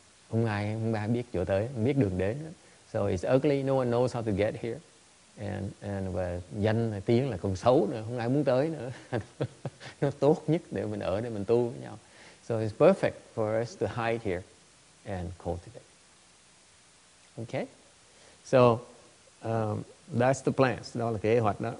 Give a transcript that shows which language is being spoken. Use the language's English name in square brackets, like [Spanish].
[Vietnamese] Không ai biết chỗ tới, không biết đường đến. [English] So it's ugly, no one knows how to get here. [Vietnamese] And và danh là tiếng là còn xấu nữa, không ai muốn tới nữa. Nó tốt nhất để mình ở để mình tu với nhau. [English] So it's perfect for us to hide here and cultivate. Okay? So that's the plans, [Vietnamese] đó là kế hoạch đó.